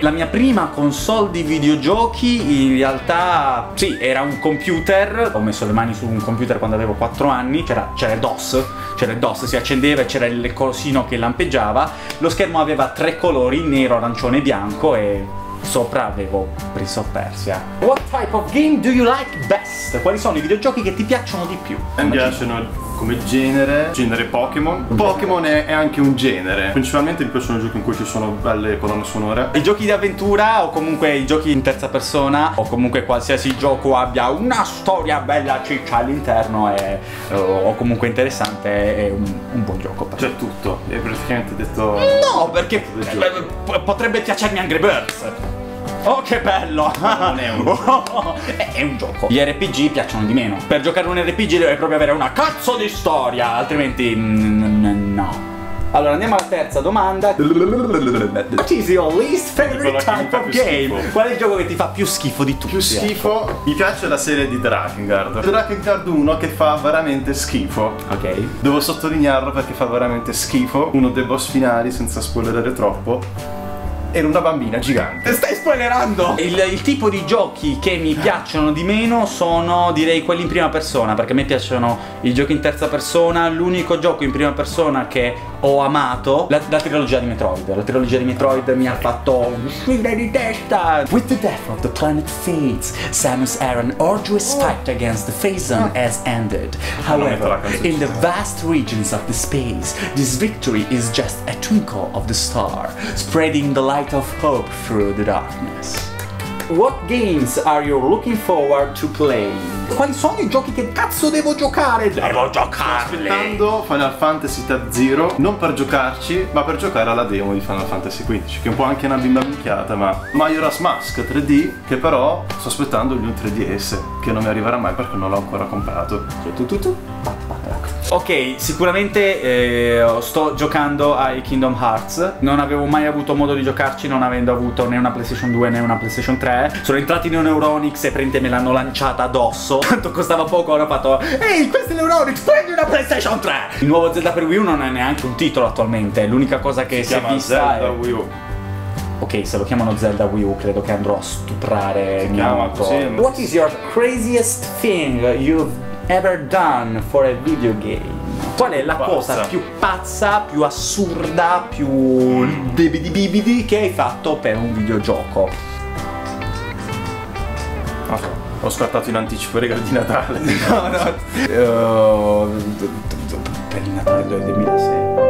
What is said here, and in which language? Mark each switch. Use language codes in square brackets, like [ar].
[it] La mia prima console di videogiochi, in realtà, sì, era un computer. Ho messo le mani su un computer quando avevo 4 anni. C'era il DOS. C'era il DOS, si accendeva e c'era il cosino che lampeggiava. Lo schermo aveva tre colori: nero, arancione e bianco. E sopra avevo preso Persia. [en] What type of game do you like best? [it] Quali sono i videogiochi che ti piacciono di più? Mi piacciono come genere Pokémon. Pokémon è anche un genere. Principalmente mi piacciono i giochi in cui ci sono belle colonne sonore. I giochi di avventura o comunque i giochi in terza persona o comunque qualsiasi gioco abbia una storia bella ciccia all'interno o comunque interessante è un buon gioco. C'è cioè, tutto, è praticamente detto. No, perché potrebbe piacermi Angry Birds. Oh che bello! Non è un è un gioco. Gli RPG piacciono di meno. Per giocare un RPG devi proprio avere una cazzo di storia, altrimenti no. Allora andiamo alla terza domanda. [en] What is your least favorite type of game? [it] Qual è il gioco che ti fa più schifo di tutti? Più schifo? Mi piace la serie di Drakengard. Drakengard 1 che fa veramente schifo. Ok. Devo sottolinearlo perché fa veramente schifo. Uno dei boss finali, senza spoilerare troppo, era una bambina gigante. Stai spoilerando! Il tipo di giochi che mi piacciono di meno sono, direi, quelli in prima persona, perché a me piacciono i giochi in terza persona. L'unico gioco in prima persona che ho amato, la trilogia di Metroid. La trilogia di Metroid mi ha fatto uscire di testa. [en] With the death of the planet Fades, Samus Aran's arduous fight against the Phazon has ended. However, in the vast regions of the space, this victory is just a twinkle of the star, spreading the light of hope through the darkness. What games are you looking forward to playing? [it] Quali sono i giochi che cazzo devo giocare? Devo giocarli! Sto aspettando Final Fantasy Zero, non per giocarci, ma per giocare alla demo di Final Fantasy XV, che è un po' anche una bimba minchiata, ma Majora's Mask 3D, che però sto aspettando il mio 3DS, che non mi arriverà mai perché non l'ho ancora comprato. Ok, sicuramente sto giocando ai Kingdom Hearts. Non avevo mai avuto modo di giocarci, non avendo avuto né una PlayStation 2 né una PlayStation 3. Sono entrati in un Euronics e praticamente me l'hanno lanciata addosso. Tanto costava poco, ora ho fatto: ehi, questo è l'Euronics, prendi una PlayStation 3! Il nuovo Zelda per Wii U non è neanche un titolo attualmente. L'unica cosa che si è vista è Zelda Wii U. Ok, se lo chiamano Zelda Wii U credo che andrò a stuprare si mio chiama così. [en] What is your craziest thing you've ever done for a video game? [it] Qual è la cosa più pazza, più assurda, più bibidi bibidi che hai fatto per un videogioco? Okay. Ho scartato in anticipo i regali di Natale. No. Per il Natale del 2006.